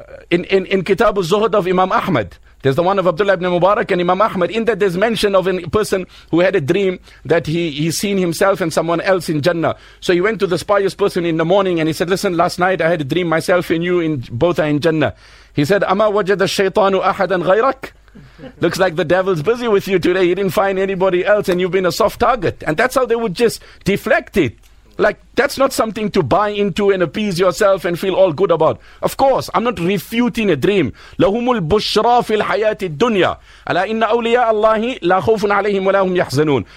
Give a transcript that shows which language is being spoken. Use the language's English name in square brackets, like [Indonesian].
[English] In Kitab al-Zuhud of Imam Ahmad, there's the one of Abdullah ibn Mubarak and Imam Ahmad, in that there's mention of a person who had a dream that he seen himself and someone else in Jannah. So he went to this pious person in the morning and he said, listen, last night I had a dream, myself and you in both are in Jannah. He said, [Arabic] أَمَا وَجَدَ الشَّيْطَانُ أَحَدًا غَيْرَكَ. [English] Looks like the devil's busy with you today. He didn't find anybody else and you've been a soft target. And that's how they would just deflect it. Like, that's not something to buy into and appease yourself and feel all good about. Of course, I'm not refuting a dream. [Arabic] لَهُمُ الْبُشْرَى فِي الْحَيَاةِ الدُّنْيَا أَلَا إِنَّ أَوْلِيَاءَ اللَّهِ لَا خَوْفٌ عَلَيْهِمْ وَلَا هُمْ يَحْزَنُونَ.